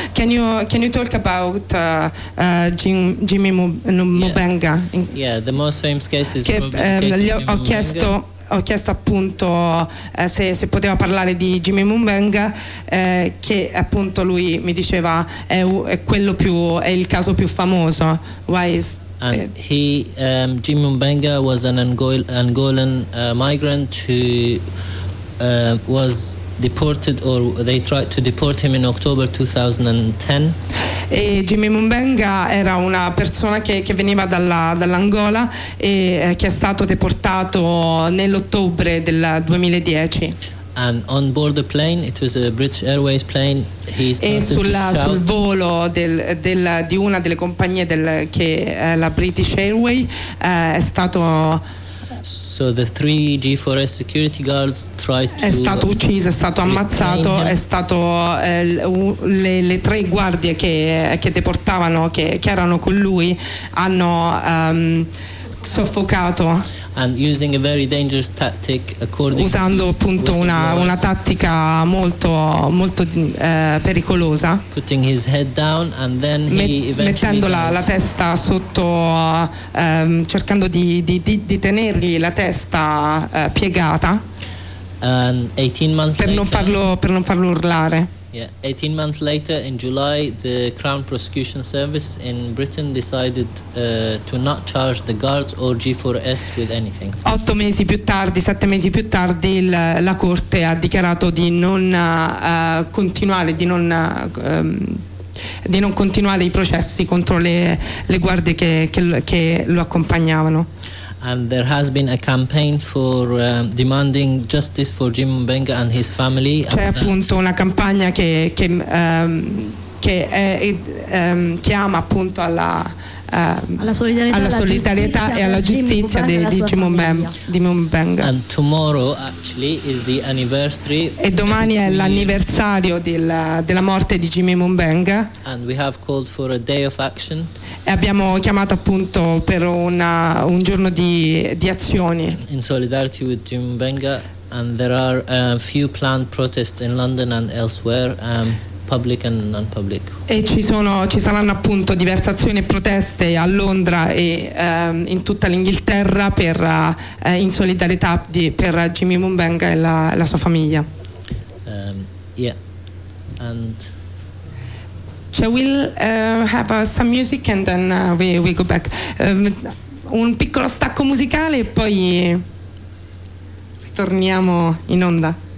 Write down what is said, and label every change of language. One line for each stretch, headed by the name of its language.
English: Can you talk about Jimmy Mubenga? Yeah, the most famous case is
Italian: Ho chiesto appunto se poteva parlare di Jimmy Mubenga, che appunto lui mi diceva è il caso più famoso.
English: Why is And he, Jim Mbenga, was an Angolan migrant who was deported, or they tried to deport him in October 2010.
Italian: E Jimmy Mbenga era una persona che veniva dall'Angola e che è stato deportato nell'ottobre del 2010.
English: And on board the plane, it was a British Airways plane, he started to shout.
Italian: E sul volo di una delle compagnie che è la British Airways, è stato.
English: So the three G4S security guards tried to.
Italian: È stato ucciso, è stato ammazzato, è stato le tre guardie che deportavano, che erano con lui, hanno soffocato.
English: And using a very dangerous tactic, according
Italian: usando appunto una tattica molto molto pericolosa,
English: putting his head down and then
Italian: mettendo la testa sotto, cercando di tenergli la testa piegata,
English: and 18 months
Italian: per
English: later,
Italian: non farlo urlare.
English: Yeah, 18 months later, in July, the Crown Prosecution Service in Britain decided to not charge the guards or G4S with anything.
Italian: 7 mesi più tardi, la corte ha dichiarato di non continuare, di non continuare i processi contro le guardie che lo accompagnavano.
English: And there has been a campaign for demanding justice for Jim Mbenga and his family.
Italian: C'è appunto una campagna che chiama appunto alla solidarietà e alla giustizia di Jim Mbenga.
English: And tomorrow actually is the anniversary.
Italian: E domani è l'anniversario della morte di Jim Mbenga.
English: And we have called for a day of action.
Italian: E abbiamo chiamato appunto per un giorno di azioni.
English: In solidarity with Jim Mbenga, and there are a few planned protests in London and elsewhere. Public and non-public.
Italian: E ci saranno appunto diverse azioni e proteste a Londra e in tutta l'Inghilterra in solidarietà per Jimmy Mbenga e la sua famiglia.
English: Yeah. And so we'll have some music and then we go back.
Italian: Un piccolo stacco musicale e poi ritorniamo in onda.